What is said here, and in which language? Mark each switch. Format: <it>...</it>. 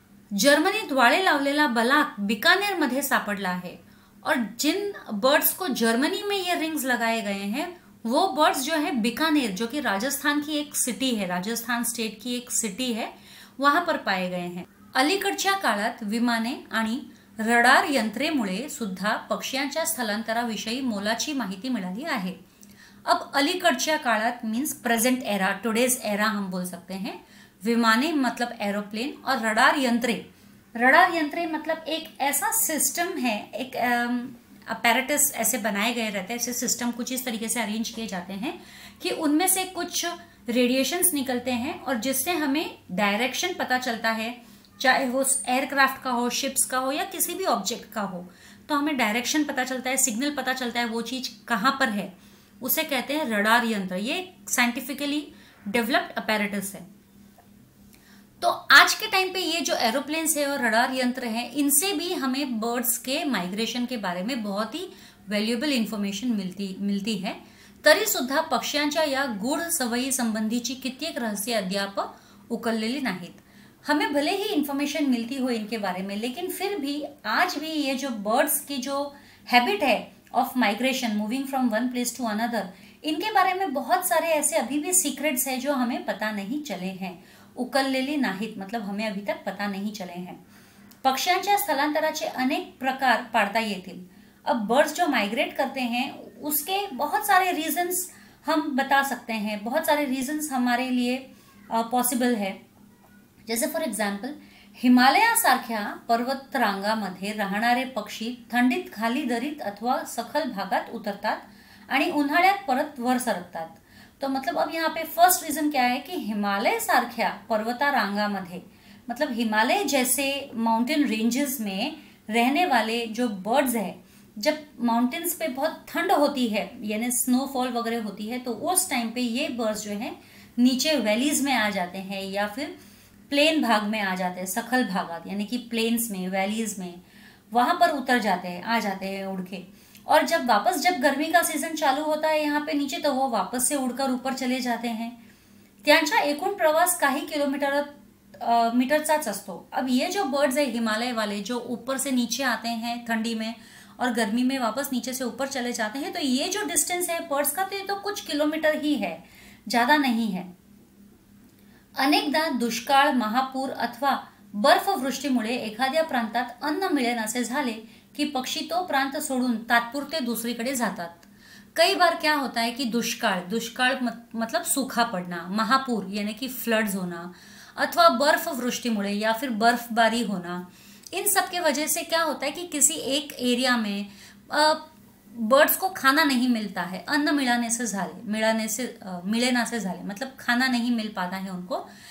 <mr>Germany द्वारे लावलेला बलाक बीकानेर मध्ये सापड़ला है।</mr> <hi>और जिन बर्ड्स को जर्मनी में ये रिंग्स लगाए गए हैं वो बर्ड्स जो है बीकानेर, जो कि राजस्थान की एक सिटी है, राजस्थान स्टेट की एक सिटी है, वहां पर पाए गए हैं।</hi> <mr>अलीकडच्या काळात विमाने आणि रडार यंत्रेमुळे सुद्धा पक्ष्यांच्या स्थलांतराविषयी मोलाची माहिती मिळाली आहे।</mr> <hi>अब</hi> <mr>अलीकडच्या काळात</mr> <hi>means present era, today's era हम बोल सकते हैं। विमाने मतलब एरोप्लेन और रडार यंत्रे, रडार यंत्रे मतलब एक ऐसा सिस्टम है, एक अपैरेटस ऐसे बनाए गए रहते हैं, ऐसे सिस्टम कुछ इस तरीके से अरेंज किए जाते हैं कि उनमें से कुछ रेडिएशंस निकलते हैं और जिससे हमें डायरेक्शन पता चलता है, चाहे वो एयरक्राफ्ट का हो, शिप्स का हो या किसी भी ऑब्जेक्ट का हो, तो हमें डायरेक्शन पता चलता है, सिग्नल पता चलता है वो चीज कहाँ पर है, उसे कहते हैं रडार यंत्र। ये साइंटिफिकली डेवलप्ड अपैरेटस है। तो आज के टाइम पे ये जो एरोप्लेन्स है और रडार यंत्र है, इनसे भी हमें बर्ड्स के माइग्रेशन के बारे में बहुत ही वैल्यूएबल इन्फॉर्मेशन मिलती मिलती है।</hi> <mr>तरी सुद्धा पक्ष्यांच्या या गूढ सवयी संबंधीची कित्येक रहस्य अद्याप उकललेली नाहीत।</mr> <hi>हमें भले ही इन्फॉर्मेशन मिलती हो इनके बारे में, लेकिन फिर भी आज भी ये जो बर्ड्स की जो हैबिट है of migration, moving from one place to another, इनके बारे में बहुत सारे ऐसे अभी भी सीक्रेट्स हैं जो हमें पता नहीं चले हैं, उकल ले ली नाहीत, मतलब हमें अभी तक पता नहीं चले हैं।</hi> <mr>पक्ष्यांच्या स्थलांतराचे अनेक प्रकार पाडता येतील। अब बर्ड्स जो माइग्रेट करते हैं उसके बहुत सारे रीजन्स हम बता सकते हैं, बहुत सारे रीजन्स हमारे लिए पॉसिबल है।</mr> <hi>जैसे फॉर एग्जाम्पल,</hi> <mr>हिमालया सारख्या पर्वतरांगामध्ये राहणारे पक्षी थंडीत खाली दरीत अथवा सखल भागात उतरतात आणि उन्हाळ्यात परत वर सरकतात।</mr> <hi>तो मतलब अब यहाँ पे फर्स्ट रीजन क्या है कि</hi> <mr>हिमालय सारख्या पर्वतारांगा मध्ये,</mr> <hi>मतलब हिमालय जैसे माउंटेन रेंजेस में रहने वाले जो बर्ड्स है, जब माउंटेन्स पे बहुत ठंड होती है यानी स्नोफॉल वगैरह होती है, तो उस टाइम पे ये बर्ड्स जो है नीचे वैलीज में आ जाते हैं या फिर प्लेन भाग में आ जाते हैं,</hi> <mr>सखल भागात</mr> <hi>यानी कि प्लेन्स में, वैलीज में, वहां पर उतर जाते हैं, आ जाते हैं उड़ के। और जब वापस, जब गर्मी का सीजन चालू होता है यहाँ पे नीचे, तो वो वापस से उड़कर ऊपर चले जाते हैं।</hi> <mr>त्यांचा एकूण प्रवास काही किलोमीटर मीटरचाच असतो।</mr> <hi>अब ये जो बर्ड्स है हिमालय वाले, जो ऊपर से नीचे आते हैं ठंडी में और गर्मी में वापस नीचे से ऊपर चले जाते हैं, तो ये जो डिस्टेंस है बर्ड्स का, तो ये तो कुछ किलोमीटर ही है, ज्यादा नहीं है।</hi> <mr>अनेकदा दुष्काळ, महापूर अथवा बर्फवृष्टीमुळे एखाद्या प्रांतात अन्न मिळेनासे झाले कि पक्षी तो प्रांत सोडून तात्पुरते दुसरीकडे जातात।</mr> <hi>कई बार क्या होता है कि दुष्काळ, दुष्काळ मतलब सूखा पड़ना, महापूर यानी कि फ्लड्स होना, अथवा बर्फ वृष्टि मुळे या फिर बर्फबारी होना, इन सब के वजह से क्या होता है कि किसी एक एरिया में बर्ड्स को खाना नहीं मिलता है, अन्न मिलाने से झाले, मिलाने से मिलेना से झाले, मतलब खाना नहीं मिल पाता है उनको,</hi>